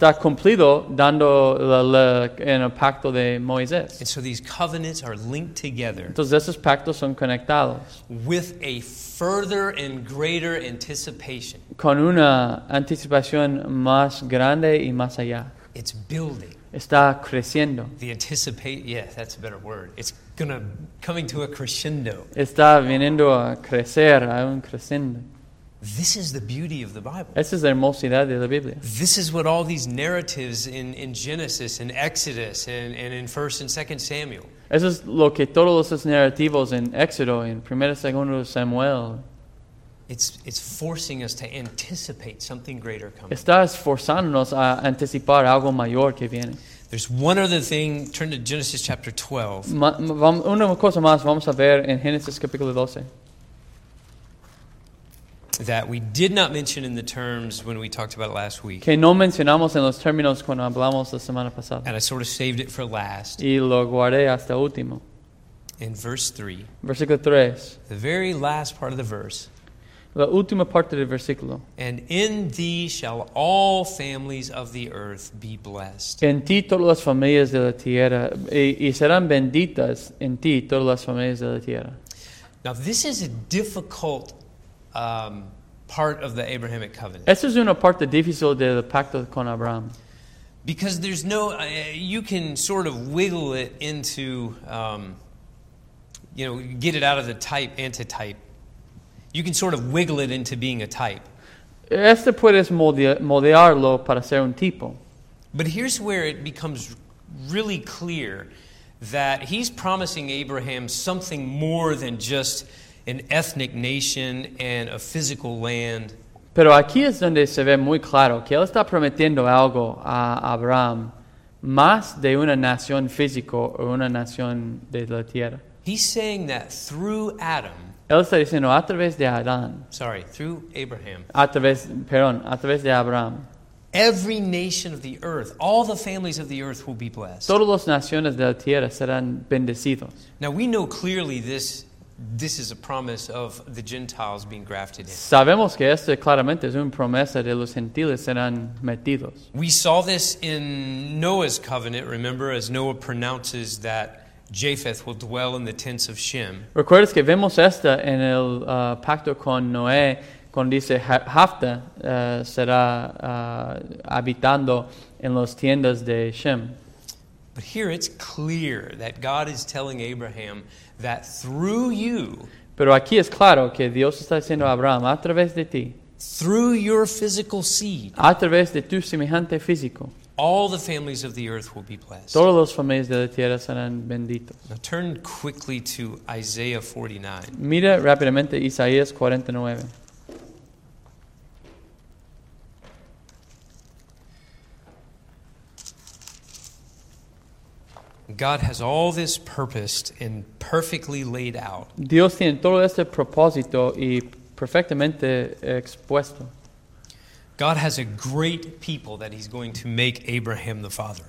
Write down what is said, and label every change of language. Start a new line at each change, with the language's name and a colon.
Spanish: Está cumplido dando en el pacto de Moisés.
English: And so these covenants are linked together.
Spanish: Entonces esos pactos son conectados.
English: With a further and greater anticipation.
Spanish: Con una anticipación más grande y más allá.
English: It's building.
Spanish: Está creciendo.
English: The anticipate, yeah, that's a better word. It's gonna coming to a crescendo.
Spanish: Está viniendo a crecer, a un crescendo.
English: This is the beauty of the Bible.
Spanish: Esa es la hermosidad de la Biblia.
English: This is what all these narratives in Genesis and Exodus and in 1st and 2nd Samuel.
Spanish: Eso es lo que todos esos narrativos en Éxodo en 1 y 2 Samuel.
English: It's forcing us to anticipate something greater coming.
Spanish: Está esforzándonos a anticipar algo mayor que viene.
English: There's one other thing. Turn to Genesis chapter 12.
Spanish: Una cosa más. Vamos a ver en Génesis capítulo 12.
English: That we did not mention in the terms when we talked about it last week.
Spanish: Que no mencionamos en los términos cuando hablamos la semana pasada.
English: And I sort of saved it for last.
Spanish: Y lo guardé hasta último.
English: In verse 3.
Spanish: Versículo 3.
English: The very last part of the verse.
Spanish: La última parte del versículo.
English: And in thee shall all families of the earth be blessed.
Spanish: En ti todas las familias de la tierra. Y serán benditas en ti todas las familias de la tierra.
English: Now this is a difficult part of the Abrahamic covenant.
Spanish: Esta es una parte difícil del pacto con Abraham.
English: Because there's no, you can sort of wiggle it into, you know, get it out of the type, antitype. You can sort of wiggle it into being a type.
Spanish: Este puedes moldearlo para ser un tipo.
English: But here's where it becomes really clear that he's promising Abraham something more than just an ethnic nation and a physical land.
Spanish: Pero aquí es donde se ve muy claro que él está prometiendo algo a Abraham más de una nación física o una nación de la tierra.
English: He's saying that through Adam.
Spanish: Él está diciendo a través de Adán.
English: Sorry, through Abraham.
Spanish: A través de Abraham.
English: Every nation of the earth, all the families of the earth will be blessed.
Spanish: Todas las naciones de la tierra serán bendecidos.
English: Now we know clearly this is a promise of the Gentiles being grafted in.
Spanish: Sabemos que esto claramente es una promesa de los gentiles serán metidos.
English: We saw this in Noah's covenant, remember, as Noah pronounces that Japheth will dwell in the tents of Shem.
Spanish: Recuerdas que vemos esta en el pacto con Noé, cuando dice Japheth será habitando en las tiendas de Shem.
English: But here it's clear that God is telling Abraham that through you.
Spanish: Pero aquí es claro que Dios está diciendo a Abraham a través de ti.
English: Through your physical seed.
Spanish: A través de tu semejante físico.
English: All the families of the earth will be blessed.
Spanish: Todas las familias de la tierra serán benditos.
English: Now turn quickly to Isaiah 49.
Spanish: Mira rápidamente Isaías 49.
English: God has all this purposed and perfectly laid out.
Spanish: Dios tiene todo este propósito y perfectamente expuesto.
English: God has a great people that he's going to make Abraham the father.